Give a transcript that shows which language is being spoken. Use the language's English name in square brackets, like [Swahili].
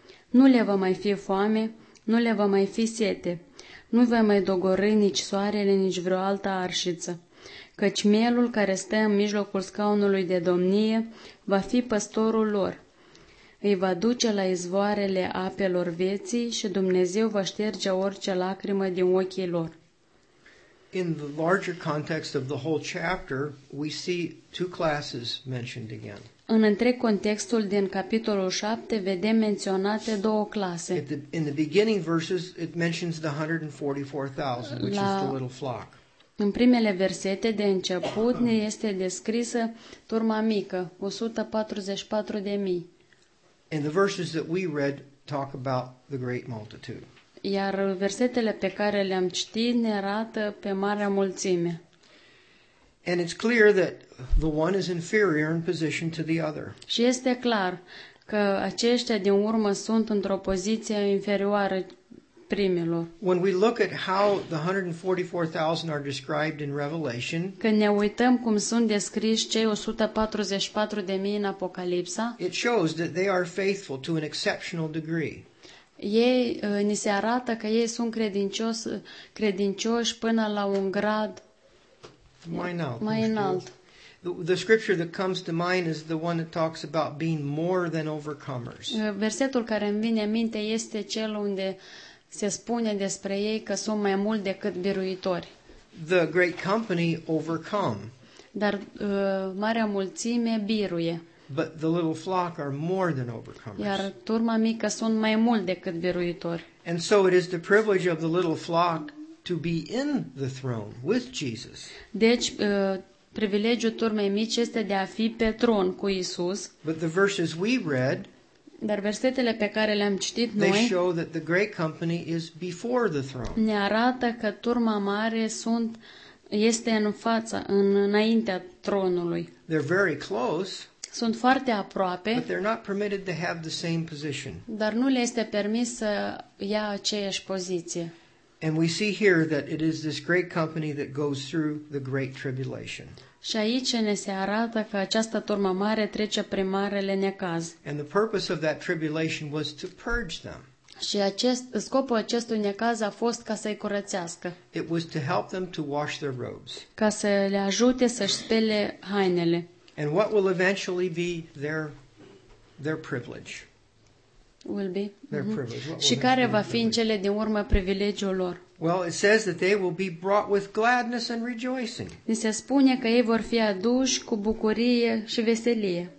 [Romanian] Nu le va mai fi foame, nu le va mai fi sete, nu va mai dogori nici soarele, nici vreo altă arșiță, căci mielul care stă în mijlocul scaunului de domnie va fi păstorul lor. Îi va duce la izvoarele apelor vieții și Dumnezeu va șterge orice lacrimă din ochii lor. [English] In the larger context of the whole chapter, we see two classes mentioned again. [Romanian] În întreg contextul din capitolul 7 vedem menționate două clase. [English] In the beginning verses it mentions the 144,000, which is the little flock. [Romanian] În primele versete de început ne este descrisă turma mică, 144,000. [English] And the verses that we read talk about the great multitude. [Romanian] Iar versetele pe care le-am citit ne arată pe marea mulțime. [English] And it's clear that the one is inferior in position to the other. [Romanian] Și este clar că aceștia din urmă sunt într-o poziție inferioară primilor. [English] When we look at how the 144,000 are described in Revelation, [Romanian] când ne uităm cum sunt descriși cei 144,000 în Apocalipsa, [English] it shows that they are faithful to an exceptional degree. [Romanian] Ei ni se arată că ei sunt credincioși până la un grad mai înalt. [English] The scripture that comes to mind is the one that talks about being more than overcomers. [Romanian] Versetul care îmi vine în minte este cel unde se spune despre ei că sunt mai mult decât biruitori. [English] The great company overcome. [Romanian] Dar marea mulțime biruie. [English] But the little flock are more than overcomers. [Romanian] Iar turma mică sunt mai mult decât biruitori. [English] And so it is the privilege of the little flock to be in the throne with Jesus. [Romanian] Deci privilegiul turmei mici este de a fi pe tron cu Isus. [English] But the verses we read, [Romanian] dar versetele pe care le-am citit noi, [English] they show that the great company is before the throne. [Romanian] Ne arată că turma mare este în fața, înaintea tronului. [English] They're very close. [Romanian] Sunt foarte aproape, [English] but they're not permitted to have the same position. [Romanian] Dar nu le este permis să ia aceeași poziție. [English] And we see here that it is this great company that goes through the great tribulation. [Romanian] Și aici ne se arată că această turmă mare trece prin marele necaz. [English] And the purpose of that tribulation was to purge them. [Romanian] Și scopul acestui necaz a fost ca să-i curățească. [English] It was to help them to wash their robes. [Romanian] Ca să le ajute să-și spele hainele. [English] And what will eventually be their privilege? Will be. Their privilege. What [Romanian] și care va fi în cele din urmă privilegiul lor? [English] Well, it says that they will be brought with gladness and rejoicing. [Romanian] Ni se spune că ei vor fi aduși cu bucurie și veselie.